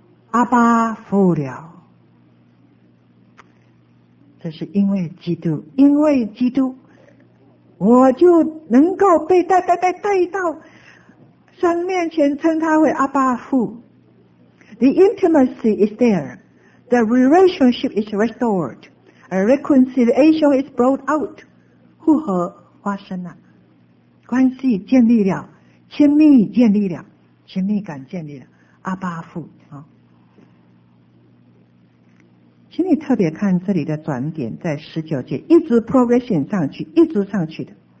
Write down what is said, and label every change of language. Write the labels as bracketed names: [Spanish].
[Chinese] 阿爸父了。这是因为基督，因为基督，我就能够被带到神面前，称他为阿爸父。 [English] The intimacy is there. The relationship is restored. A reconciliation is brought out. [Chinese] 互合发生了，关系建立了，亲密建立了，亲密感建立了。阿爸父啊，请你特别看这里的转点，在十九节一直 progression 上去，一直上去的。